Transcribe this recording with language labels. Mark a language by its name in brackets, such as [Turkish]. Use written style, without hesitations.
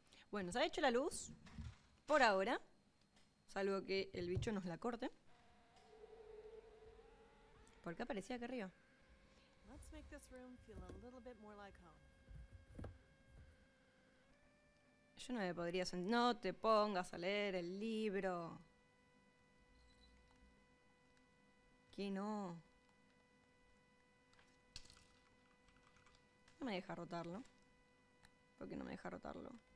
[Spanish] Bueno, se ha hecho la luz. Por ahora, salvo que el bicho nos la corte. ¿Por qué aparecía acá arriba? [English] Let's make this room feel a little bit more like home. [Spanish] Yo no me podría sentir. No te pongas a leer el libro. ¿Qué no? No me deja rotarlo. ¿Por qué no me deja rotarlo?